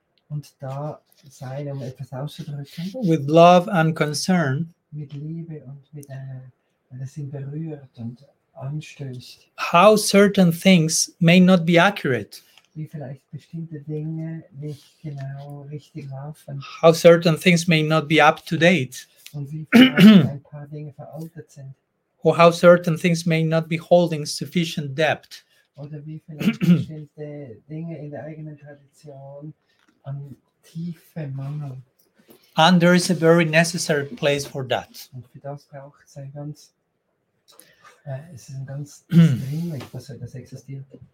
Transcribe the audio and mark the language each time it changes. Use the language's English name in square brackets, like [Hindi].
[German] und da sein, um etwas auszudrücken, [English] with love and concern [German] mit Liebe und mit, das ihn berührt und anstößt, [English] how certain things may not be accurate. [German] Wie vielleicht bestimmte Dinge nicht genau richtig laufen. [English] How certain things may not be up to date. [German] Und wie vielleicht ein paar Dinge veraltet sind. [English] Or how certain things may not be holding sufficient depth. [German] Oder wie vielleicht bestimmte Dinge in der eigenen Tradition an Tiefe mangeln. [English] And there is a very necessary place for that. [German] Und für das braucht es ein ganz, es ist ein ganz dringlich, dass das existiert.